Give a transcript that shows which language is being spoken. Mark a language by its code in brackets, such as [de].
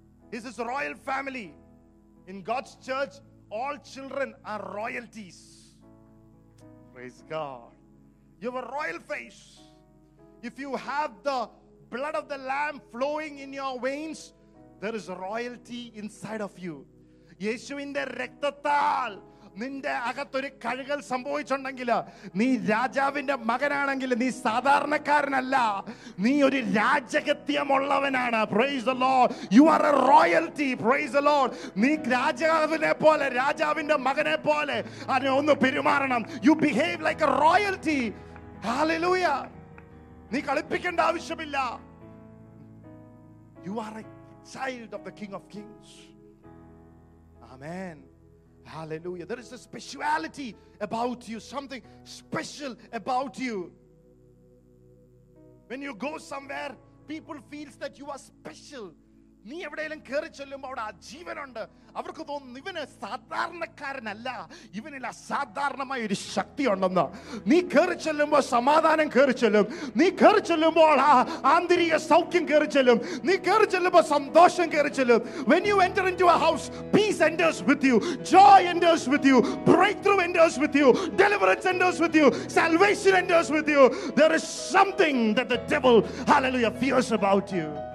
[en] He's his royal family. In God's church, all children are royalties. Praise God. You have a royal face. If you have the blood of the lamb flowing in your veins, there is royalty inside of you. [ml] Yeshuvinte rakthathal നിന്റെ അകത്തൊരു കഴുകൽ സംഭവിച്ചിട്ടുണ്ടെങ്കിൽ, നീ രാജാവിന്റെ മകനാണെങ്കിൽ, നീ സാധാരണക്കാരനല്ല, നീ ഒരു രാജകത്യമുള്ളവനാണ്. [en] Praise the lord. You are a royalty. Praise the lord. [ml] നീ രാജാവിനെ പോലെ, രാജാവിന്റെ മകനെ പോലെ അതിനെ ഒന്ന് പെരുമാറണം. [en] You behave like a royalty. Hallelujah. [ml] നീ കളിപ്പിക്കേണ്ട ആവശ്യമില്ല. [en] You are a child of the king of kings. Amen. Hallelujah. There is a speciality about you, something special about you. When you go somewhere, people feels that you are special. [ml] നീ എവിടെയെങ്കിലും കയറി ചെല്ലുമ്പോൾ അവിടെ ജീവനുണ്ട്. അവർക്ക് തോന്നുന്നു, ഇവന് സാധാരണക്കാരനല്ല, ഇവനിൽ അസാധാരണമായ ഒരു ശക്തിയുണ്ടെന്ന്. നീ കയറി ചെല്ലുമ്പോൾ സമാധാനം കയറി ചെല്ലും. നീ കയറി ചെല്ലുമ്പോൾ ആന്തരിക സൗഖ്യം കയറി ചെല്ലും. നീ കയറി ചെല്ലുമ്പോൾ സന്തോഷം കയറി ചെല്ലും. [en] When you enter into a house, peace enters with you, joy enters with you, breakthrough enters with you, deliverance enters with you, salvation enters with you. There is something that the devil, hallelujah, fears about you.